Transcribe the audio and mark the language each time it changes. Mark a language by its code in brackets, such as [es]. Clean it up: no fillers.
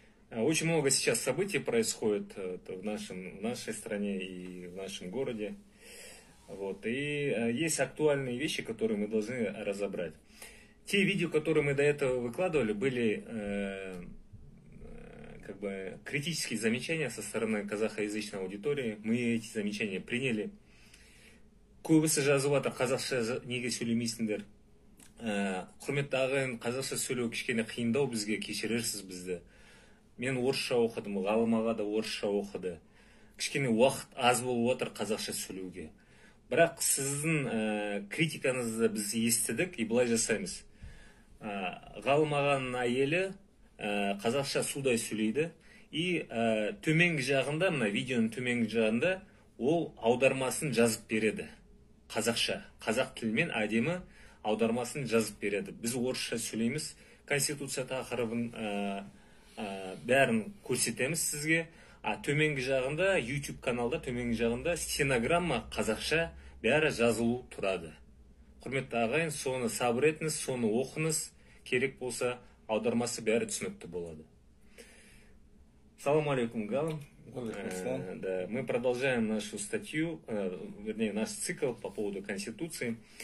[ru] Очень много сейчас событий происходит в нашей стране и в нашем городе. Вот. И есть актуальные вещи, которые мы должны разобрать. Те видео, которые мы до этого выкладывали, были как бы критические замечания со стороны казахоязычной аудитории. Мы эти замечания приняли. [kk] Көбісі жазып атыр, қазақша неге сөйлемейсіңдер. Құрметті ағайын, қазақша сөйлеу кішкене қиындау, бізге кешірерсіз бізді. Мен орысша оқыдым, ғалым аға да орысша оқыды. Кішкене уақыт аз болып отыр қазақша сөйлеуге. Бірақ сіздің критиканызды біз естідік и былай жасаймыз. Ғалым ағаның әйелі қазақша судай сөйлейді. И төменгі жағында, мына видеоның төменгі жағында ол аудармасын жазып береді. Қазақша, қазақ тілімен әдемі аудармасын жазып береді. Біз орысша сөйлейміз, конституция тақырыбын бәрін көрсетеміз сізге. Төменгі жағында, YouTube каналда, төменгі жағында стенограмма қазақша бәрі жазылу тұрады. Құрметті ағайын, соны сабыр етіңіз, соны оқыңыз, керек болса аудармасы бәрі түсінікті болады. [ru] Салам алейкум, Галым. Да, мы продолжаем нашу статью, вернее, наш цикл по поводу Конституции.